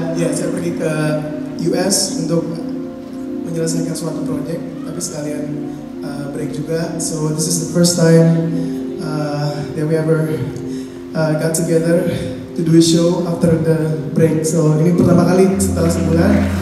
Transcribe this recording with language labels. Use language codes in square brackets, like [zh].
[id] saya pergi ke US untuk menyelesaikan suatu project, tapi sekalian break juga. [en] So this is the first time that we ever got together to do a show after the break. [id] So ini pertama kali setelah sebulan.